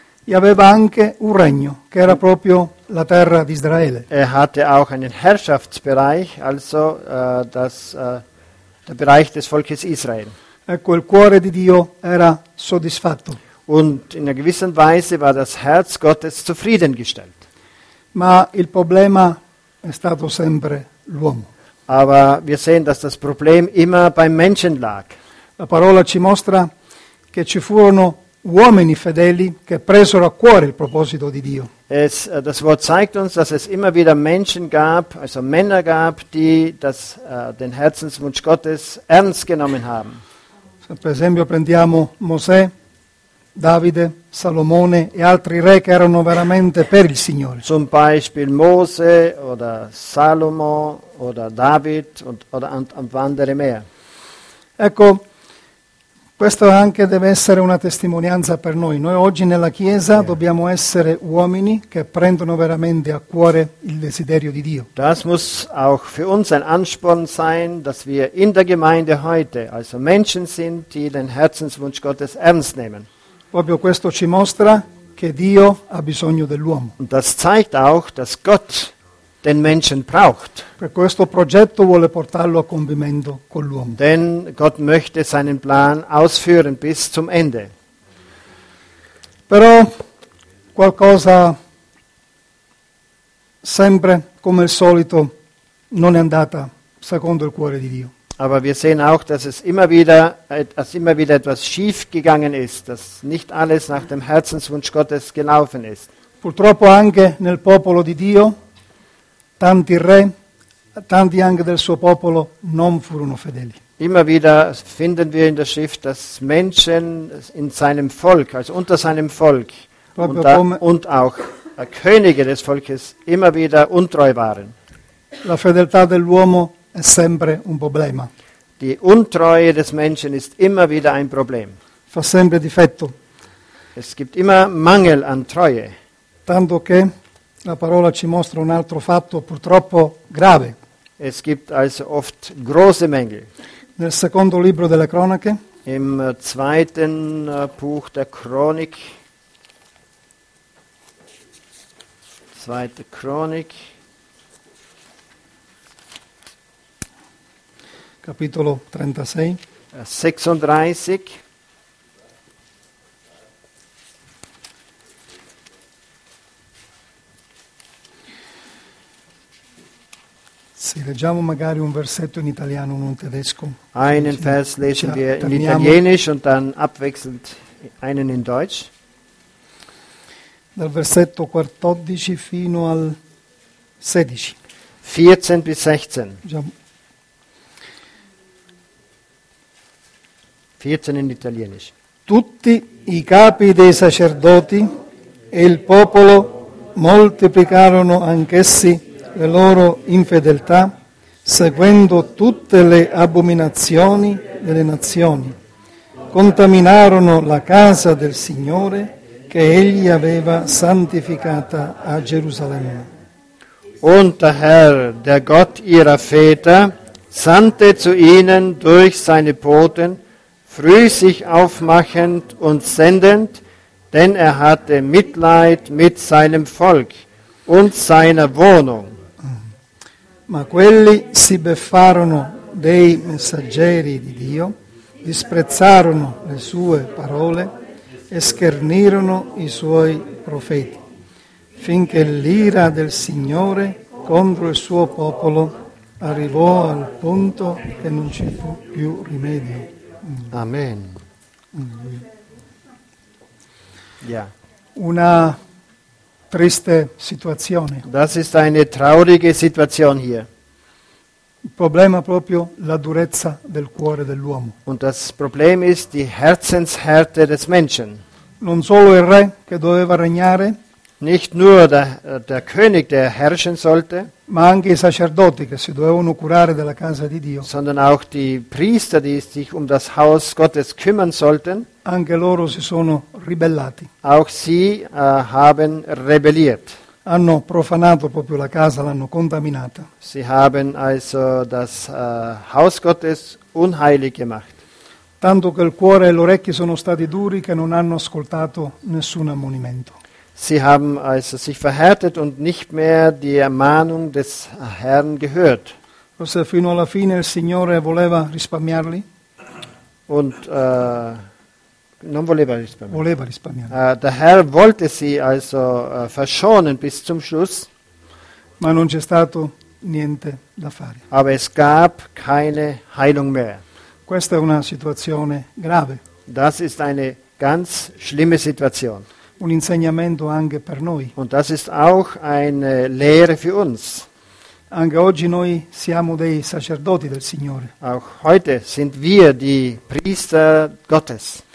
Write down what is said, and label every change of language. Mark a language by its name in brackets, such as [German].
[Italian] E aveva anche un regno, che era proprio la terra di Israele. [German] Er hatte auch einen Herrschaftsbereich, also der Bereich des Volkes Israel. [Italian] Ecco, il cuore di Dio era soddisfatto. [German] Und in einer gewissen Weise war das Herz Gottes zufriedengestellt. [Italian] Ma il problema è stato sempre l'uomo. [German] Aber wir sehen, dass das Problem immer beim Menschen lag. [Italian] La parola ci mostra che ci furono uomini fedeli che presero a cuore il proposito di Dio. [German] Das Wort zeigt uns, dass es immer wieder Menschen gab, also Männer gab, die den Herzenswunsch Gottes ernst genommen haben. [Italian] Per esempio prendiamo Mosè, Davide, Salomone e altri re che erano veramente per il Signore. [German] Zum Beispiel Mose oder Salomo oder David und andere mehr. [Italian] Ecco, Questo anche deve essere una testimonianza per noi. Noi oggi nella Chiesa dobbiamo essere uomini che prendono veramente a cuore il desiderio di Dio. [German] Das muss auch für uns ein Ansporn sein, dass wir in der Gemeinde heute also Menschen sind, die den Herzenswunsch Gottes ernst nehmen. [Italian] Proprio questo ci mostra che Dio ha bisogno dell'uomo. [German] Und das zeigt auch, dass Gott den Menschen braucht. [Italian] Per questo progetto vuole portarlo a compimento con l'uomo. [German] Denn Gott möchte seinen Plan ausführen bis zum Ende. [Italian] Però qualcosa sempre come al solito non è andata secondo il cuore di Dio. [German] Aber wir sehen auch, dass es immer wieder etwas schief gegangen ist, dass nicht alles nach dem Herzenswunsch Gottes gelaufen ist. [Italian] Purtroppo anche nel popolo di Dio tanti re, tanti anche del suo popolo non furono fedeli. [German] Immer wieder finden wir in der Schrift, dass Menschen in seinem Volk, also unter seinem Volk und auch Könige des Volkes immer wieder untreu waren. [Italian] La fedeltà dell'uomo è sempre un problema. [German] Die Untreue des Menschen ist immer wieder ein Problem. [Italian] Fa sempre difetto. [German] Es gibt immer Mangel an Treue. [Italian] Tanto che la parola ci mostra un altro fatto purtroppo grave. [German] Es gibt also oft große Mängel. [Italian] Nel secondo libro delle cronache. [German] Im zweiten Buch der Chronik. Zweite Chronik. [Italian] Capitolo 36. 36. Sì, leggiamo magari un versetto in italiano, non in tedesco. [German] Einen Vers lesen wir in italienisch und dann abwechselnd einen in Deutsch. [Italian] Dal versetto 14 fino al 16. [German] 14 bis 16. [Italian] Leggiamo. [German] 14 in italienisch. [Italian] Tutti i capi dei sacerdoti e il popolo moltiplicarono anch'essi le loro infedeltà, seguendo tutte le abominazioni delle nazioni, contaminarono la casa del Signore che egli aveva santificata a Gerusalemme. [German] Und der Herr, der Gott ihrer Väter, sandte zu ihnen durch seine Boten, früh sich aufmachend und sendend, denn er hatte Mitleid mit seinem Volk und seiner Wohnung. [Italian] Ma quelli si beffarono dei messaggeri di Dio, disprezzarono le sue parole e schernirono i suoi profeti, finché l'ira del Signore contro il suo popolo arrivò al punto che non ci fu più rimedio. Amen. Una triste situazione. [German] Das ist eine traurige Situation hier. [Italian] Il problema proprio la durezza del cuore dell'uomo. [German] Und das Problem ist die Herzenshärte des Menschen. [Italian] Non solo il re che doveva regnare, [German] nicht nur der König, der herrschen sollte, [Italian] ma anche i sacerdoti che si dovevano curare della casa di Dio, [German] sondern auch die Priester, die sich um das Haus Gottes kümmern sollten, [Italian] anche loro si sono ribellati. [German] Auch sie haben rebelliert. [Italian] Hanno profanato proprio la casa, l'hanno contaminata. [German] Sie haben also das Haus Gottes unheilig gemacht. [Italian] Tanto che il cuore e l'orecchio sono stati duri che non hanno ascoltato nessun ammonimento. [German] Sie haben also sich verhärtet und nicht mehr die Ermahnung des Herrn gehört. [Italian] Forse fino alla fine il Signore voleva risparmiarli. [German] Und [Italian] non voleva risparmiarli. Voleva risparmiarli. [German] Der Herr wollte sie also verschonen bis zum Schluss. [Italian] Ma non c'è stato niente da fare. [German] Aber es gab keine Heilung mehr. [Italian] Questa è una situazione grave. [German] Das ist eine ganz schlimme Situation. [Italian] Un insegnamento anche per noi. [German] Und das ist auch eine Lehre für uns. [Italian] Anche oggi noi siamo dei sacerdoti del Signore. [German] Auch heute sind wir die Priester Gottes.